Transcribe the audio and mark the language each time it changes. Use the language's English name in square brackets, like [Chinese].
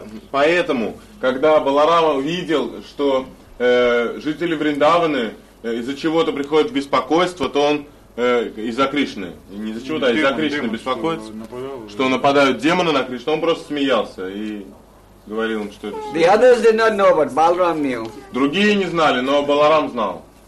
[Russian] Поэтому, когда Баларама увидел, что жители Вриндаваны из-за чего-то приходят в беспокойство, то он из-за Кришны, не из-за чего-то, а из-за Кришны демон, беспокоится, что нападают демоны на Кришну, он просто смеялся и говорил им, что это [English] The others did not know, but Balaram knew. [Russian] Другие не знали, но Баларам знал.